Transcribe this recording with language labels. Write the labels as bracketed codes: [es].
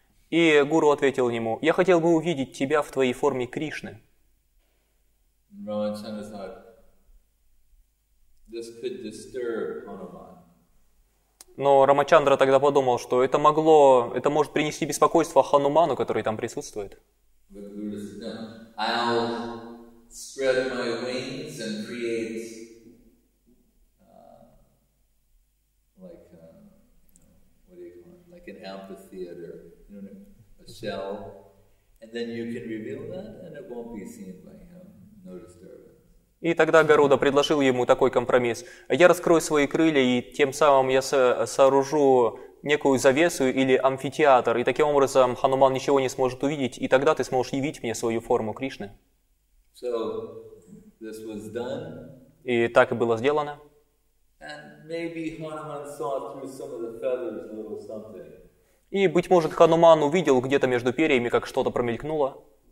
[ru] И гуру ответил ему, я хотел бы увидеть тебя в твоей форме Кришны. [en] Рамачандра thought, this could disturb Hanuman. [ru] Но Рамачандра тогда подумал, что это может принести беспокойство Хануману, который там присутствует. [en] But Guru said, no, I'll spread my wings and create like like an amphitheater, you know, a shell, and then you can reveal that, and it won't be seen by him, no disturbance. [ru] И тогда Гаруда предложил ему такой компромисс. Я раскрою свои крылья, и тем самым я сооружу некую завесу или амфитеатр, и таким образом Хануман ничего не сможет увидеть, и тогда ты сможешь явить мне свою форму Кришны. [en] So, this was done. [ru] И так и было сделано. [en] And maybe Hanuman saw through some of the feathers a little something. [ru] И, быть может, Хануман увидел где-то между перьями, как что-то промелькнуло.